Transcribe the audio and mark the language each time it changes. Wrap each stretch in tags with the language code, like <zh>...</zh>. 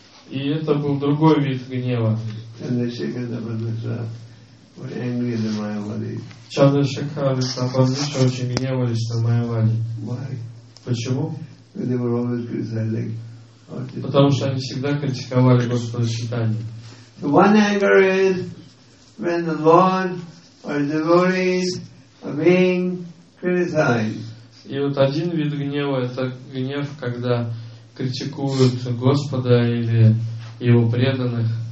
<ru>И это был другой вид гнева. Чандрашекхар и Сапандиша очень гневались на Майавади.</ru> <en>Why?</en> <ru>Почему?</ru> <en>They were always criticizing.</en> <ru>Потому что они всегда критиковали Господа Читания.</ru> <en>The one anger is when the Lord or the devotees are being criticized.</en> <ru>И вот один вид гнева — это гнев, когда критикуют Господа или его преданных.</ru>